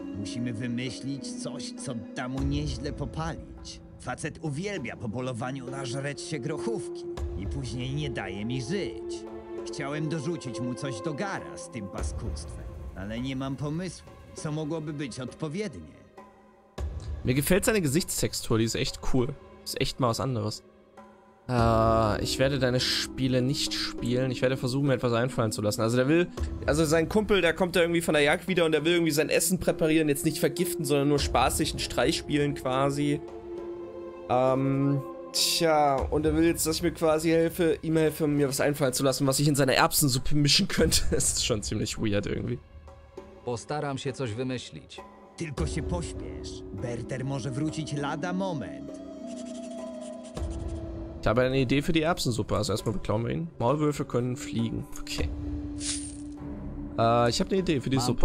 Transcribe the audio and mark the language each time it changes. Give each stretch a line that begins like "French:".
Polish: Musimy wymyślić coś, co da mu nieźle popalić. Facet uwielbia po polowaniu nażreć się grochówki i później nie daje mi żyć. Chciałem dorzucić mu coś do gara z tym paskudstwem, ale nie mam pomysłu, co mogłoby być odpowiednie.
German: Mir gefällt seine Gesichtstextur, die ist echt cool. Ist echt mal was anderes. Ich werde deine Spiele nicht spielen. Ich werde versuchen, mir etwas einfallen zu lassen. Also der will, also sein Kumpel, der kommt da irgendwie von der Jagd wieder und der will irgendwie sein Essen präparieren, jetzt nicht vergiften, sondern nur spaßig einen Streich spielen quasi. Tja, und er will jetzt, dass ich mir quasi helfe, ihm helfe, mir was einfallen zu lassen, was ich in seiner Erbsensuppe mischen könnte. Das ist schon ziemlich weird irgendwie.
Polish: Postaram się coś wymyślić. Tylko się pośpiesz. Berter może wrócić lada moment.
German: Ich habe eine Idee für die Erbsensuppe, also erstmal beklauen wir ihn. Maulwürfe können fliegen. Okay. Ich habe eine Idee für die Suppe.